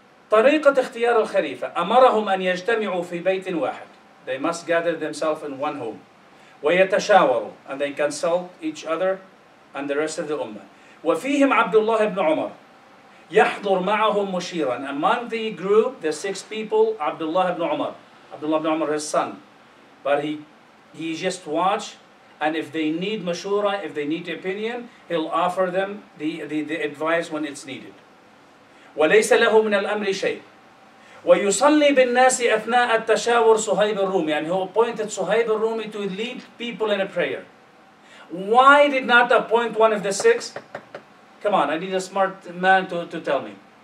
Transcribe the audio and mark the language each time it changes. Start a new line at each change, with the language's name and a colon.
Arabic: طريقة اختيار الخليفة أمرهم أن يجتمعوا في بيت واحد.
English: They must gather themselves in one home.
Arabic: ويتشاوروا
English: and they consult each other and the rest of the ummah.
Arabic: وفيهم عبد الله بن عمر يحضر معهم مشيرا.
English: Among the group, the six people, Abdullah ibn Umar. Abdullah ibn Umar, his son. But he just watch, and if they need mashura, if they need opinion, he'll offer them the advice when it's needed.
Arabic: وليس له من الأمر شيء. ويصلي بالناس أثناء التشاور صهيب الرومي.
English: And he appointed صهيب الرومي to lead people in a prayer. Why did not appoint one of the six? Come on, I need a smart man to tell me.